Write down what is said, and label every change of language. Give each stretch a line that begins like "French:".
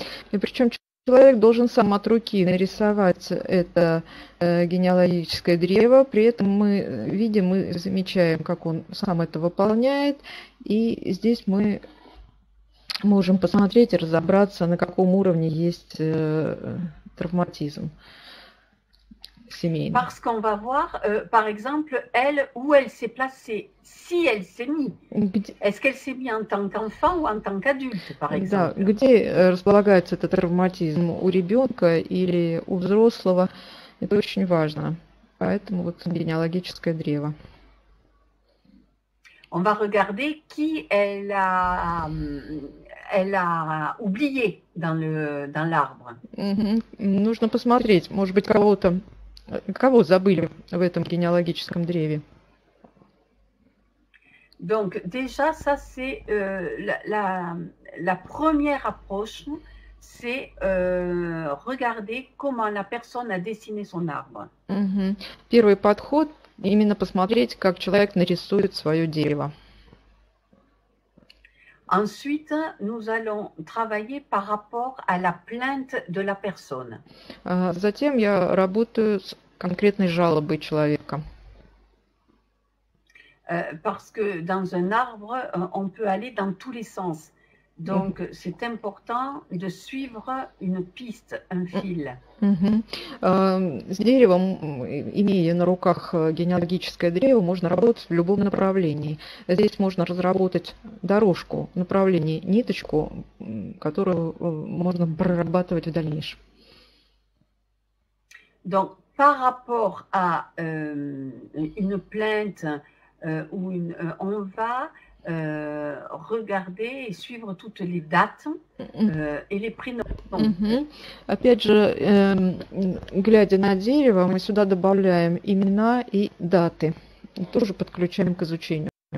Russian: И причем человек должен сам от руки нарисовать это генеалогическое древо, при этом мы видим, мы замечаем, как он сам это выполняет, и здесь мы можем посмотреть и разобраться, на каком уровне есть травматизм семейный.
French: Parce qu'on va voir, par exemple, elle, où elle s'est placée, si elle s'est mise. Est-ce qu'elle s'est mise en tant qu'enfant ou en tant qu'adulte, par
Russian: Да,
French: exemple?
Russian: где располагается этот травматизм у ребенка или у взрослого, это очень важно. Поэтому вот генеалогическое древо.
French: On va regarder qui elle a oublié dans l'arbre.
Russian: Нужно посмотреть, может быть, кого-то. Кого забыли в этом генеалогическом древе?
French: Donc déjà, ça c'est la première approche, c'est regarder comment la personne a dessiné son arbre.
Russian: Первый подход именно посмотреть, как человек нарисует свое дерево.
French: Ensuite, nous allons travailler par rapport à la plainte de la personne.
Russian: Затем я работаю с конкретной жалобы человека.
French: Parce que dans un arbre, on peut aller dans tous les sens. Donc, c'est important de suivre une piste, un fil.
Russian: С деревом, имея на руках генеалогическое древо, можно работать в любом направлении. Здесь можно разработать дорожку, направление, ниточку, которую можно прорабатывать в дальнейшем.
French: Donc, par rapport à une plainte ou une on va regarder et suivre toutes les dates et les prénoms.
Russian: Опять же, глядя на дерево, мы сюда добавляем имена и даты. И тоже подключаем к изучению.